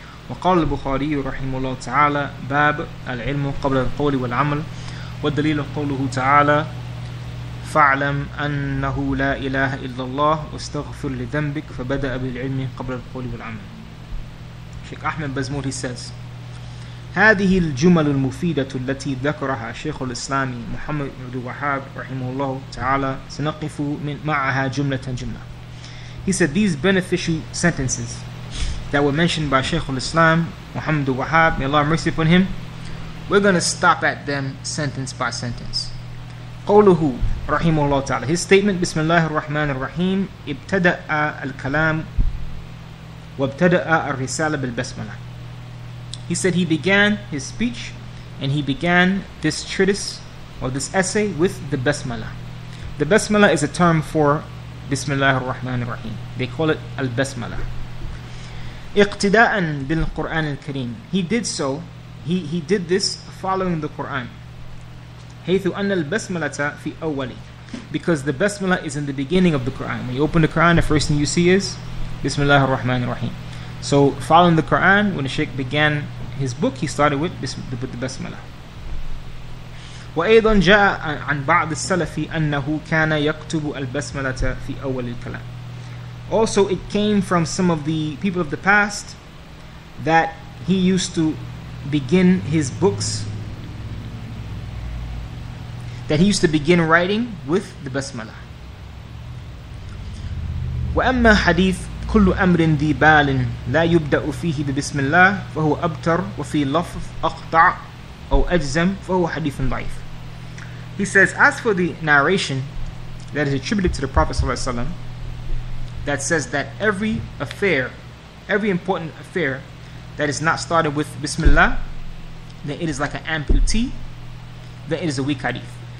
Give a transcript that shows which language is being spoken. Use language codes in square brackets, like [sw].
[ar] وقال البخاري رحمه الله تعالى باب العلم قبل القول والعمل والدليل قوله تعالى فاعلم أنه لا إله إلا الله واستغفر لذنبك فبدأ بالعلم قبل القول والعمل. شيخ أحمد بزمور says هذه الجمل المفيدة التي ذكرها شيخ الإسلام محمد بن عبد الوهاب رحمه الله تعالى سنقف من معها جملة جملة. [en] He said these beneficial sentences that were mentioned by Shaykh al-Islam, Muhammad al-Wahhab, may Allah have mercy upon him, we're going to stop at them sentence by sentence. [ar] قوله رحمه الله تعالى. [en] His statement, [ar] بسم الله الرحمن الرحيم, ابتدأ الكلام وابتدأ الرسالة بالبسملة. [en] He said he began his speech and he began this treatise or this essay with the basmala. The basmala is a term for [ar] بسم الله الرحمن الرحيم. [en] They call it al-basmala. [ar] اقتداء بالقرآن الكريم. [en] He did this following the Quran. [ar] حيث أن البسملة في أولي. [en] Because the basmala is in the beginning of the Quran. When you open the Quran, the first thing you see is [ar] بسم الله الرحمن الرحيم. [en] So following the Quran, when the Shaykh began his book, he started with the basmala. [ar] وأيضا جاء عن بعض السلف أنه كان يكتب البسملة في أول الكلام. [en] Also, it came from some of the people of the past that he used to begin his books, that he used to begin writing with the basmala. [ar] وأما حديث كل أمر ذي بال لا يبدأ فيه ببسم الله فهو أبتر وفي لفظ أقطع أو أجزم فهو حديث ضعيف. [en] He says, as for the narration that is attributed to the Prophet that says that every affair, every important affair that is not started with Bismillah, then it is like an amputee, then it is a weak hadith.